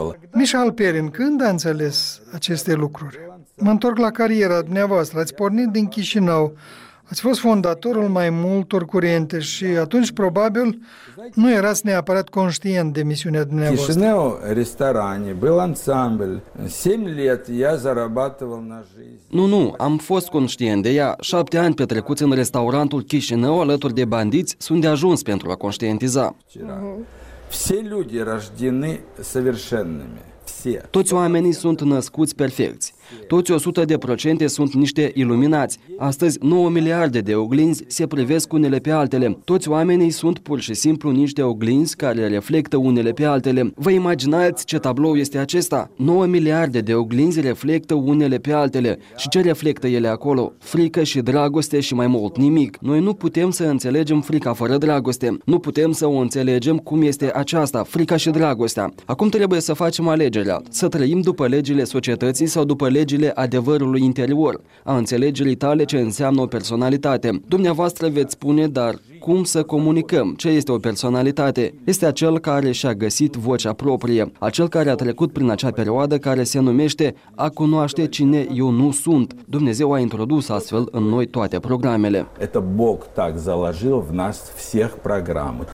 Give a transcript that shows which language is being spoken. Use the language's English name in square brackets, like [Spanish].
[Romanian] Michal Perin, când a înțeles aceste lucruri? Mă întorc la cariera dumneavoastră. Ați pornit din Chișinău. Ați fost fondatorul mai multor curente și atunci probabil nu erați neapărat conștient de misiunea dumneavoastră. [Russian] Chișinău, restaurante, был ансамбль. 7 лет я зарабатывал на жизнь. [Romanian] Nu, am fost conștient de ea. 7 ani petrecuți în restaurantul Chișinău alături de bandiți sunt de ajuns pentru a conștientiza. [Russian] Все люди рождены совершенными. [Romanian] Toți oamenii sunt născuți perfecți. Toți 100% sunt niște iluminați. Astăzi 9 miliarde de oglinzi se privesc unele pe altele. Toți oamenii sunt pur și simplu niște oglinzi care reflectă unele pe altele. Vă imaginați ce tablou este acesta? 9 miliarde de oglinzi reflectă unele pe altele. Și ce reflectă ele acolo? Frică și dragoste și mai mult nimic. Noi nu putem să înțelegem frica fără dragoste. Nu putem să o înțelegem cum este aceasta, frica și dragostea. Acum trebuie să facem alegerea. Să trăim după legile societății sau după legile adevărului interior, a înțelegerii tale ce înseamnă o personalitate. Dumneavoastră veți spune, dar cum să comunicăm? Ce este o personalitate? Este acel care și-a găsit vocea proprie, acel care a trecut prin acea perioadă care se numește a cunoaște cine eu nu sunt. Dumnezeu a introdus astfel în noi toate programele. [Russian] Это Бог так заложил в нас всех программы.